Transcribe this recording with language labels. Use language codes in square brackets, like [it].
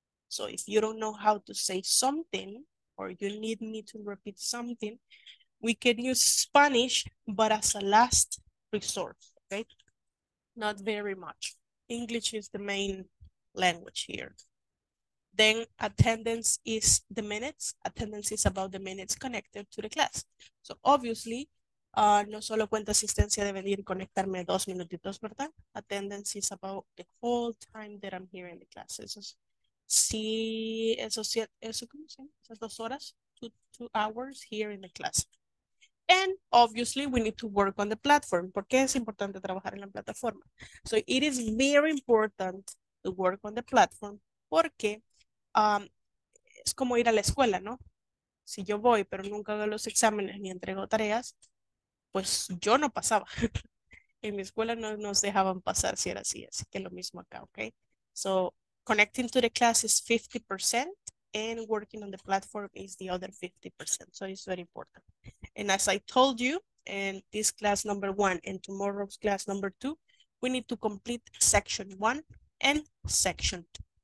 [en] So if you don't know how to say something or you need me to repeat something, we can use Spanish, but as a last resource, okay? Not very much. English is the main language here. Then attendance is the minutes. Attendance is about the minutes connected to the class. So obviously, [es] No solo cuenta asistencia de venir y conectarme 2 minutitos, ¿verdad? [en] Attendance is about the whole time that I'm here in the class. [es] Eso es, sí, eso sí, eso, ¿cómo se llama? Esas 2 horas, [en] two hours here in the class. And obviously we need to work on the platform. [es] ¿Por qué es importante trabajar en la plataforma? [en] So it is very important to work on the platform [es] porque es como ir a la escuela, ¿no? Si yo voy pero nunca hago los exámenes ni entrego tareas, pues yo no pasaba. En mi escuela no nos dejaban pasar si era así, así que lo mismo acá, ¿ok? [en] So, connecting to the class is 50% and working on the platform is the other 50%. So, it's very important. And as I told you, in this class number one and tomorrow's class number two, we need to complete section one and section two.